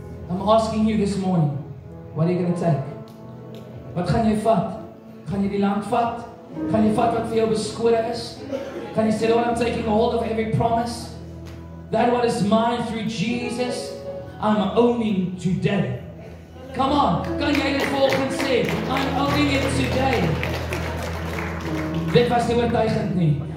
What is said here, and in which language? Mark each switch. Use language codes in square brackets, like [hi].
[en] I'm asking you this morning, what are you going to take? [af] Wat gaan jy vat? Gaan jy die land vat? Gaan jy vat wat vir jou beskore is? Gaan jy sê, [en] Lord, I'm taking hold of every promise. That what is mine through Jesus, I'm owning today. Come on, [af] kan jy dit volgend sê? [en] I'm owning it today. [af] Dit was nie oortuigend nie.